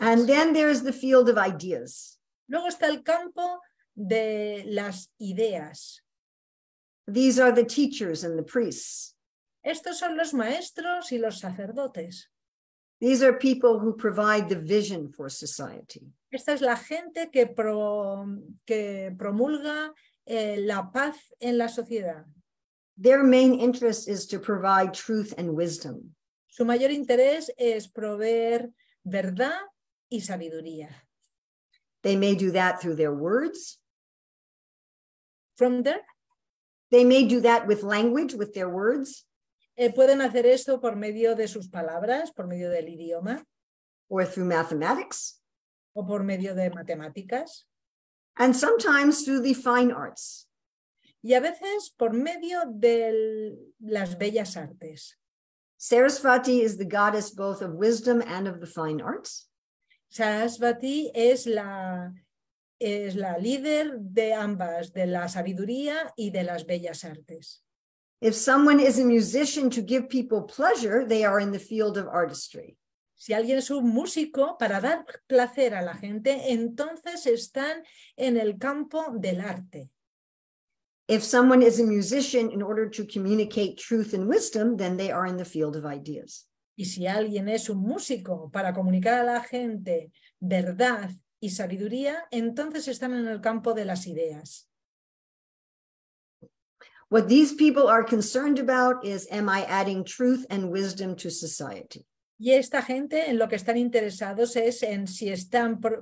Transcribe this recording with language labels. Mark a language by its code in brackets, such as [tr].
[en] And then there is the field of ideas. [es] Luego está el campo de las ideas. [en] These are the teachers and the priests. [es] Estos son los maestros y los sacerdotes. [en] These are people who provide the vision for society. [es] Esta es la gente que promulga la paz en la sociedad. [en] Their main interest is to provide truth and wisdom. [es] Su mayor interés es proveer verdad y sabiduría. [en] They may do that through their words. From there? They may do that with language, with their words. [es] Pueden hacer esto por medio de sus palabras, por medio del idioma. [en] Or through mathematics. [es] O por medio de matemáticas. [en] And sometimes through the fine arts. [es] Y a veces por medio de las bellas artes. [en] Sarasvati is the goddess both of wisdom and of the fine arts. [es] Sarasvati es la líder de ambas, de la sabiduría y de las bellas artes. [en] If someone is a musician to give people pleasure, they are in the field of artistry. [es] Si alguien es un músico para dar placer a la gente, entonces están en el campo del arte. [en] If someone is a musician in order to communicate truth and wisdom, then they are in the field of ideas. [es] Y si alguien es un músico para comunicar a la gente verdad y sabiduría, entonces están en el campo de las ideas. [en] What these people are concerned about is, am I adding truth and wisdom to society? [es] Y esta gente en lo que están interesados es en si están